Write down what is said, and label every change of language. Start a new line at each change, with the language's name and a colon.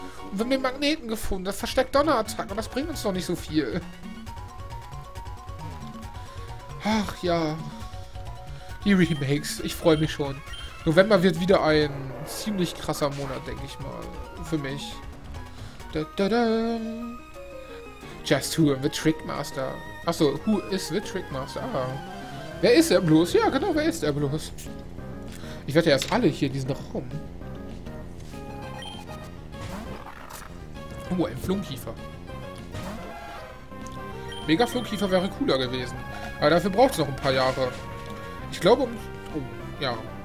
German: Und wir haben den Magneten gefunden. Das versteckt Donnerattacken. Und das bringt uns noch nicht so viel. Ach ja. Die Remakes. Ich freue mich schon. November wird wieder ein ziemlich krasser Monat, denke ich mal. Für mich. Da, da, da.
English: Just who am the Trickmaster? Achso, who is the Trickmaster?
German: Ah. Wer ist er bloß? Ja, genau, wer ist er bloß? Ich werde ja erst alle hier in diesen Raum. Oh, ein Flunkiefer. Mega Flunkiefer wäre cooler gewesen. Aber dafür braucht es noch ein paar Jahre. Ich glaube, um... Oh, ja.